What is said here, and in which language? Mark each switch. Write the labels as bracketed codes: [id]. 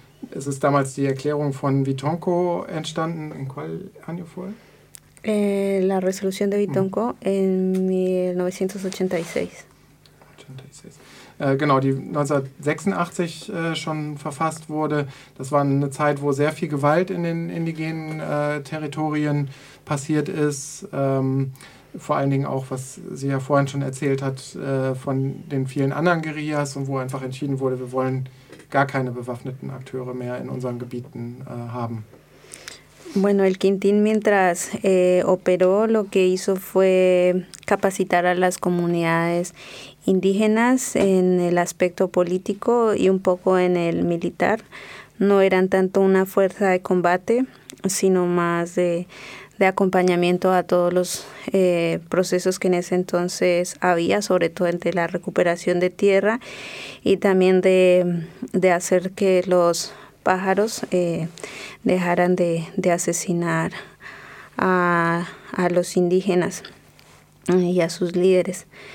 [de] Es ist damals die Erklärung von Bitonco entstanden. [es] In qual año fue? La resolución de Bitonco en 1986. [de] Genau, die 1986 schon verfasst wurde. Das war eine Zeit, wo sehr viel Gewalt in den indigenen Territorien passiert ist. Vor allen Dingen auch, was sie ja vorhin schon erzählt hat, von den vielen anderen Guerillas, und wo einfach entschieden wurde, wir wollen gar keine bewaffneten Akteure mehr in unseren Gebieten haben. [es] Bueno, el Quintín, mientras operó, lo que hizo fue capacitar a las comunidades indígenas en el aspecto político y un poco en el militar. No eran tanto una fuerza de combate, sino más de acompañamiento a todos los procesos que en ese entonces había, sobre todo entre la recuperación de tierra y también de hacer que los pájaros dejaran de asesinar a los indígenas y a sus líderes.